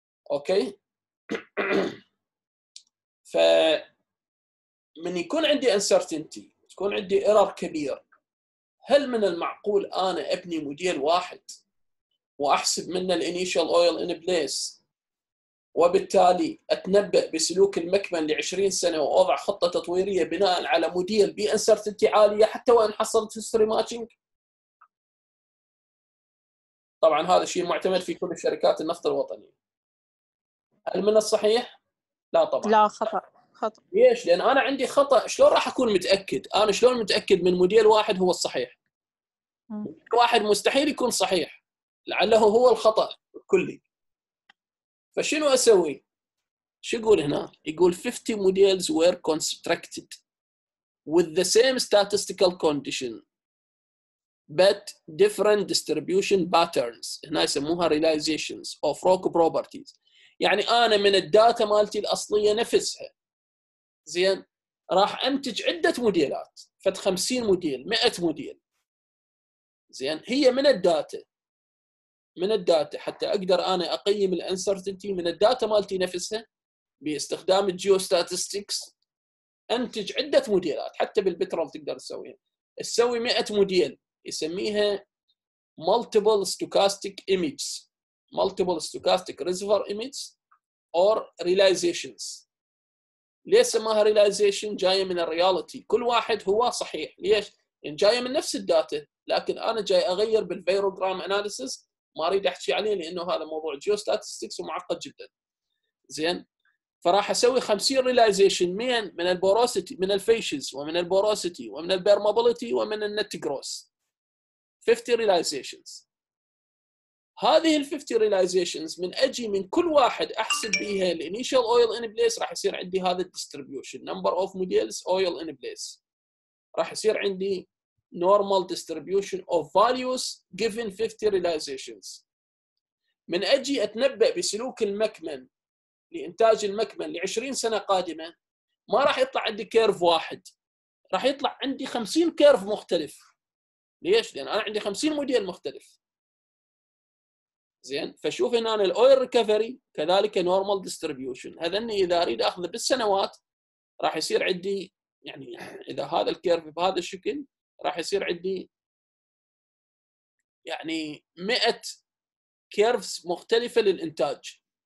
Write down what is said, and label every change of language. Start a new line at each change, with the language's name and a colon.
Arabic: اوكي ف من يكون عندي انسرتينتي تكون عندي ايرور كبير، هل من المعقول انا ابني موديل واحد واحسب منه الانيشال اويل ان بليس وبالتالي اتنبأ بسلوك المكمن لعشرين سنه واوضع خطه تطويريه بناء على موديل بانسرتينتي عاليه حتى وان حصلت هيستوري ماتشنج؟ طبعا هذا الشيء معتمد في كل شركات النفط الوطني. هل من الصحيح؟ لا طبعا، لا خطأ. ليش؟ لان انا عندي خطأ، شلون راح اكون متأكد؟ انا شلون متأكد من موديل واحد هو الصحيح؟ موديل واحد مستحيل يكون صحيح، لعله هو الخطأ الكلي. فشنو اسوي؟ شو يقول هنا؟ يقول
English: 50 models were constructed with the same statistical condition but different distribution patterns،
Arabic: هنا يسموها
English: realizations of rock properties.
Arabic: يعني انا من الداتا مالتي الاصليه نفسها زين راح انتج عده موديلات، فد 50 موديل 100 موديل زين، هي من الداتا، من الداتا حتى اقدر انا اقيم الانسرتينتي من الداتا مالتي نفسها باستخدام الجيوستاتستكس انتج عده موديلات. حتى بالبترول تقدر تسويها، تسوي 100 موديل يسميها مالتيبل ستوكاستيك ايمجز،
English: multiple stochastic reservoir images or realizations.
Arabic: ليش سماها realization؟ جاية من الرياليتي، كل واحد هو صحيح. ليش؟ يعني جاية من نفس الداتا لكن أنا جاي أغير بالفيروغرام analysis، ما أريد أحكي عليه لأنه هذا موضوع geostatistics ومعقد جدا زين. فراح أسوي 50 realization من البوروسيتي، من الفيشز ومن البوروسيتي ومن البيرمابوليتي ومن النت جروس، 50 realizations. هذه ال 50 realizations من اجي من كل واحد احسب بيها ال initial oil in place راح يصير عندي هذا distribution number of models oil in place، راح يصير عندي
English: normal distribution of values given 50 realizations.
Arabic: من اجي اتنبأ بسلوك المكمن لانتاج المكمن ل 20 سنه قادمه، ما راح يطلع عندي كيرف واحد، راح يطلع عندي 50 كيرف مختلف ليش؟ لان انا عندي 50 موديل مختلف. زين، فشوف هنا الاويل ريكفري كذلك نورمال ديستريبيوشن، هذا اني اذا اريد اخذ بالسنوات راح يصير عندي، يعني اذا هذا الكيرف بهذا الشكل راح يصير عندي يعني 100 كيرفز مختلفه للانتاج.